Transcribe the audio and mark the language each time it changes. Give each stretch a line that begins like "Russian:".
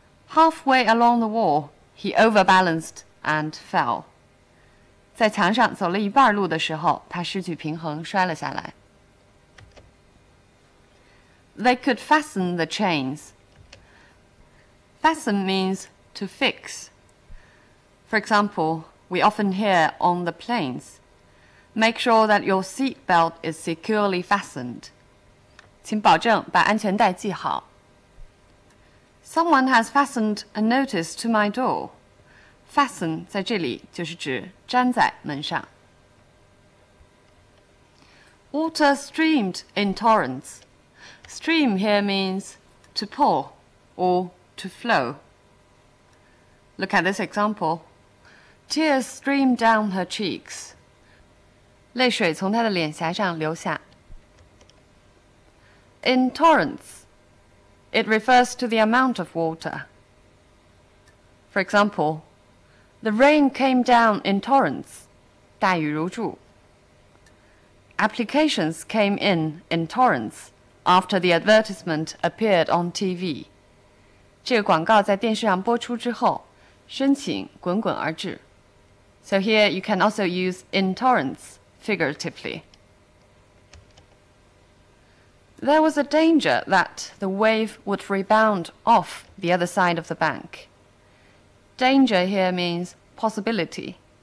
English: Halfway along the wall, he overbalanced and fell.
Chinese: 在墙上走了一半路的时候，他失去平衡，摔了下来。
English: They could fasten the chains. Fasten means to fix. For example, we often hear on the planes, make sure that your seat belt is securely fastened.
Chinese: 请保证把安全带系好。
English: Someone has fastened a notice to my door. Fasten
Chinese: 在这里就是指粘在门上。
English: Water streamed in torrents. Stream here means to pour or to flow. Look at this example. Tears stream down her cheeks.
Chinese: 泪水从她的脸颊上流下。
English: In torrents, it refers to the amount of water. For example, the rain came down in torrents.
Chinese: 大雨如注。
English: Applications came in torrents. After the advertisement appeared on TV.
Chinese: 这个广告在电视上播出之后，申请滚滚而至。
English: So here you can also use in torrents figuratively. There was a danger that the wave would rebound off the other side of the bank. Danger here means possibility.